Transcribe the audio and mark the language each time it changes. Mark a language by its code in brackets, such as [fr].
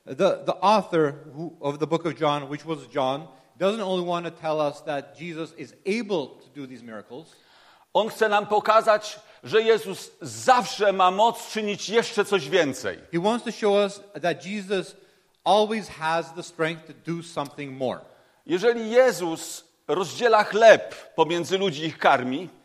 [en] The author of the book of John, which was John, doesn't only want to tell us that Jesus is able to do these miracles. [pl] On chce nam pokazać, że Jezus zawsze ma moc czynić jeszcze coś więcej. [en] He wants to show us that Jesus always has the strength to do something more. [pl] Jeżeli Jezus rozdziela chleb pomiędzy ludzi i ich karmi,